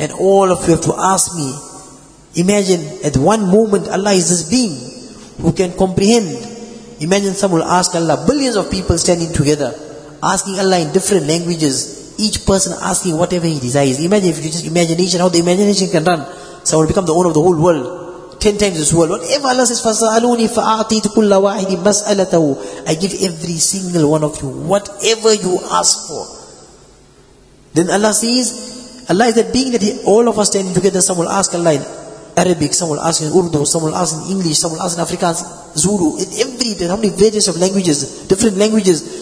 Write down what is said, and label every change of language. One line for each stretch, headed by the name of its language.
English: And all of you have to ask me. Imagine at one moment Allah is this being who can comprehend. Imagine some will ask Allah, billions of people standing together, asking Allah in different languages, each person asking whatever he desires. Imagine if you just imagination, how the imagination can run. Someone will become the owner of the whole world. 10 times this world. Whatever Allah says,
Arabic: فَسَأَلُونِي فَأَعْطِيتُ كُلَّ وَاحِدِ مَسْأَلَتَهُ.
English: I give every single one of you whatever you ask for. Then Allah says, Allah is that being that all of us standing together, some will ask Allah in Arabic, some will ask in Urdu, some will ask in English, some will ask in Afrikaans, Zulu, in every, there's how many varieties of languages, different languages.